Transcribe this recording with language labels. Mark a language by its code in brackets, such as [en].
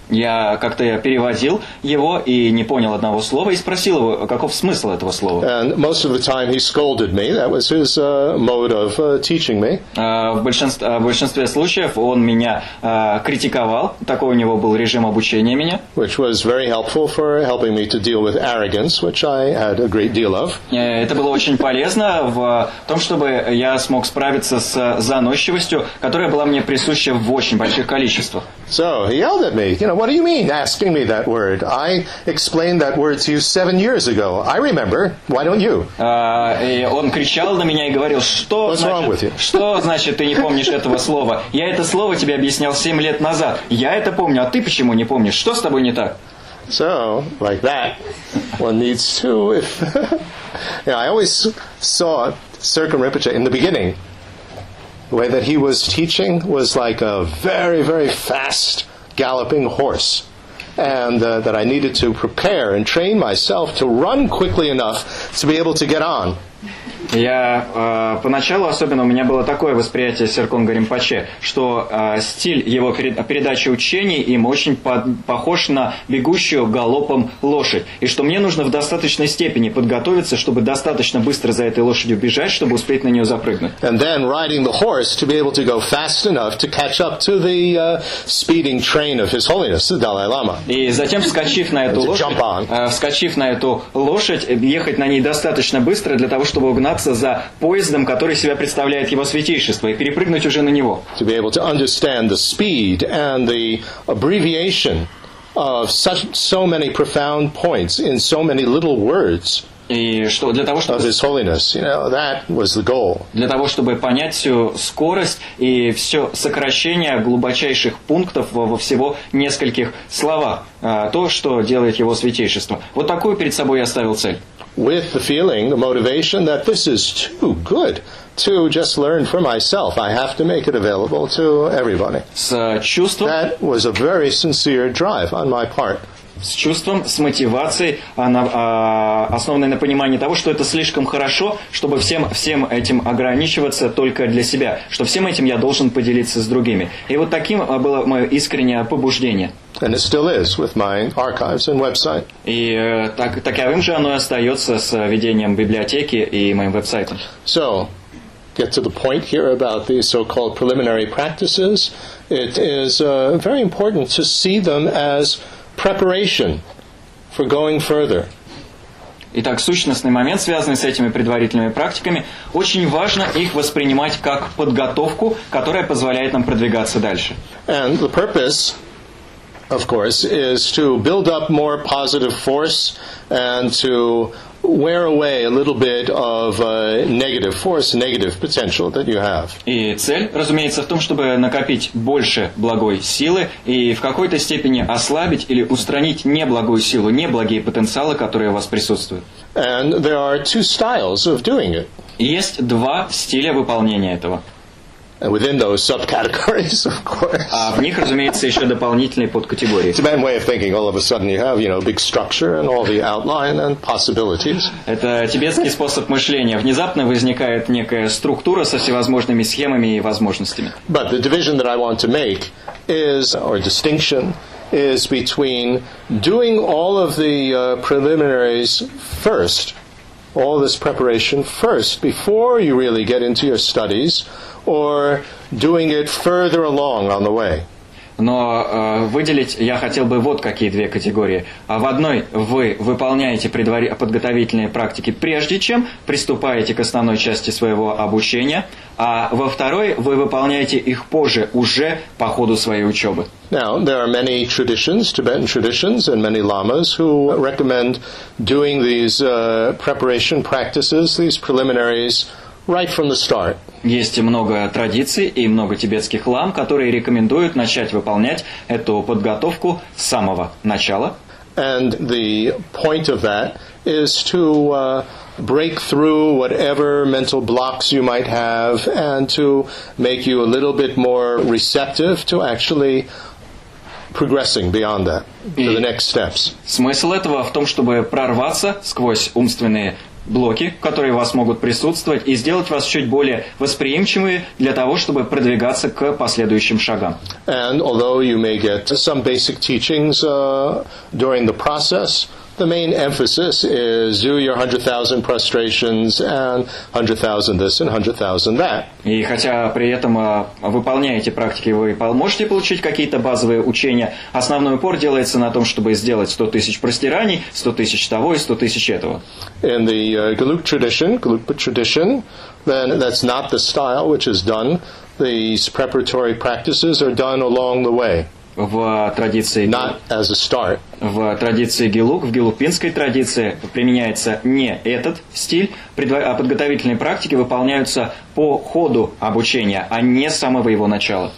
[ru] Я как-то переводил его и не понял одного слова, и спросил его, каков смысл этого слова. [en] And most of the time he scolded me. That was his mode of teaching me. [ru] В большинстве случаев он меня критиковал. Такой у него был режим обучения меня. [en] Which was very helpful for helping me to deal with arrogance, which I had a great deal of. [ru] Это было очень полезно в том, чтобы я смог справиться с заносчивостью, которая была мне присуща в очень больших количествах. [en] So he yelled at me, you know, what do you mean asking me that word? I explained that word to you 7 years ago. I remember. Why don't you? [ru] И он кричал на меня и говорил, что [en] What's [ru] значит, [en] wrong with you? [ru] Что значит ты не помнишь этого слова? Я это слово тебе объяснял 7 лет назад. Я это помню, а ты почему не помнишь? Что с тобой не так? [en] So, like that, one needs to. If, you know, I always saw Sirkin Rinpoche in the beginning. The way that he was teaching was like a very, very fast galloping horse. And that I needed to prepare and train myself to run quickly enough to be able to get on. [ru] Я поначалу особенно у меня было такое восприятие Серконга Ринпоче, что стиль его передачи учений им очень похож на бегущую галопом лошадь, и что мне нужно в достаточной степени подготовиться, чтобы достаточно быстро за этой лошадью бежать, чтобы успеть на нее запрыгнуть. [en] And then riding the horse to be able to go fast enough to catch up to the speeding train of His Holiness the Dalai Lama. [ru] И затем, вскочив на эту лошадь, ехать на ней достаточно быстро для того, чтобы угнаться за поездом, который себя представляет Его Святейшество, и перепрыгнуть уже на него. [en] To be able to understand the speed and the abbreviation of such so many profound points in so many little words. [ru] И что для того, чтобы [en] His Holiness, you know, that was the goal. [ru] Для того, чтобы понять всю скорость и все сокращение глубочайших пунктов во всего нескольких словах, то, что делает Его Святейшество. Вот такую перед собой я ставил цель. [en] With the feeling, the motivation that this is too good to just learn for myself, I have to make it available to everybody. [ru] С чувством. [en] That was a very sincere drive on my part. [ru] С чувством, с мотивацией, основанной на понимании того, что это слишком хорошо, чтобы всем этим ограничиваться только для себя, что всем этим я должен поделиться с другими. И вот таким было мое искреннее побуждение. [en] And it still is with my archives and website. [ru] И таковым же оно и остается с ведением библиотеки и моим веб-сайтом. [en] So, get to the point here about the so-called preliminary practices. It is very important to see them as preparation for going further. [ru] Итак, сущностный момент, связанный с этими предварительными практиками, очень важно их воспринимать как подготовку, которая позволяет нам продвигаться дальше. [en] And the purpose, of course, is to build up more positive force and to wear away a little bit of negative force, negative potential that you have. [ru] И цель, разумеется, в том, чтобы накопить больше благой силы и в какой-то степени ослабить или устранить неблагую силу, неблагие потенциалы, которые у вас присутствуют. [en] And there are two styles of doing it. [ru] Есть два стиля выполнения этого. [en] And within those subcategories, of course. [ru] А в них, разумеется, еще дополнительные подкатегории. [en] It's a bad way of thinking. All of a sudden you have, you know, big structure and all the outline and possibilities. [ru] Это тибетский способ мышления. Внезапно возникает некая структура со всевозможными схемами и возможностями. [en] But the division that I want to make is, or distinction, is between doing all of the preliminaries first, all this preparation first, before you really get into your studies, or doing it further along on the way. [ru] Но выделить я хотел бы вот какие две категории. В одной вы выполняете подготовительные практики прежде чем приступаете к основной части своего обучения, а во второй вы выполняете их позже, уже по ходу своей учебы. [en] Now, there are many traditions, Tibetan traditions, and many lamas who recommend doing these preparation practices, these preliminaries, right from the start. [ru] Есть много традиций и много тибетских лам, которые рекомендуют начать выполнять эту подготовку с самого начала. [en] And the point of that is to break through whatever mental blocks you might have and to make you a little bit more receptive to actually progressing beyond that to the next steps. [ru] Смысл этого в том, чтобы прорваться сквозь умственные блоки, которые у вас могут присутствовать, и сделать вас чуть более восприимчивыми для того, чтобы продвигаться к последующим шагам. [en] And although you may get some basic teachings during the process, the main emphasis is do your 100,000 prostrations and 100,000 this and 100,000 that. [ru] И хотя при этом выполняя эти практики, вы можете получить какие-то базовые учения, основной упор делается на том, чтобы сделать 100 тысяч простираний, 100 тысяч того и 100 тысяч этого. [en] In the Gelugpa tradition, then that's not the style which is done. These preparatory practices are done along the way. [ru] В традиции, [en] not as a start. [ru] В традиции Гелуг, в гелугпинской традиции применяется не этот стиль, а подготовительные практики выполняются по ходу обучения, а не с самого его начала.